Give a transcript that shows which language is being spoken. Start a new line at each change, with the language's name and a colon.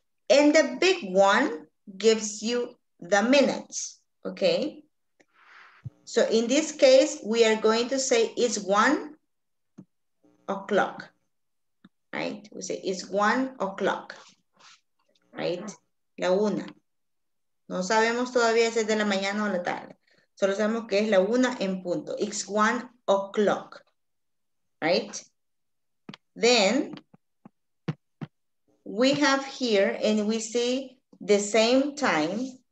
English: And the big one gives you the minutes, okay? So in this case, we are going to say it's 1 o'clock, right? We say it's 1 o'clock, right?
Spanish: La una. No sabemos todavía si es de la mañana o la tarde. Solo sabemos que es la una en punto.
English: It's 1 o'clock, right? Then we have here and we see the same time.